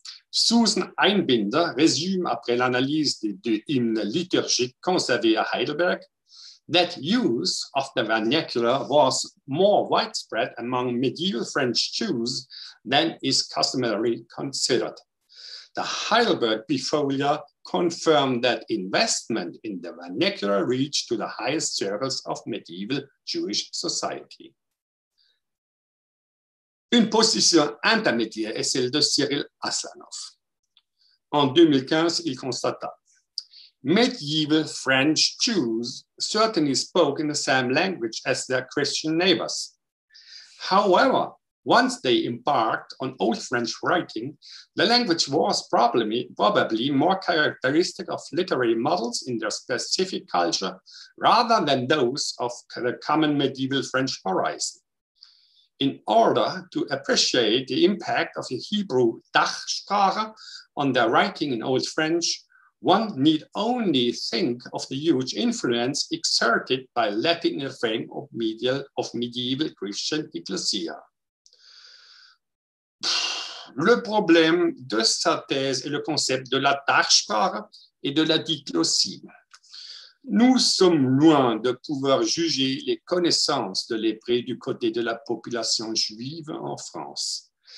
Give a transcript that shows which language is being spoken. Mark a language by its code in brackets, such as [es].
[fr] Susan Einbinder résume après l'analyse des deux hymnes liturgiques conservés à Heidelberg. [en] That use of the vernacular was more widespread among medieval French Jews than is customarily considered. The Heidelberg Bifolia confirmed that investment in the vernacular reached to the highest circles of medieval Jewish society. [fr] Une position intermédiaire est celle de Cyril Aslanov. En 2015, il constata [en] Medieval French Jews certainly spoke in the same language as their Christian neighbors. However, once they embarked on Old French writing, the language was probably more characteristic of literary models in their specific culture rather than those of the common medieval French horizon. In order to appreciate the impact of the Hebrew Dachsprache on their writing in Old French, one need only think of the huge influence exerted by Latin in the frame of medieval Christian ecclesia. [fr] Le problème de sa thèse est le concept de la Dachsprache et de la diglossie. Nous sommes loin de pouvoir juger les connaissances de l'hébreu du côté de la population juive en France.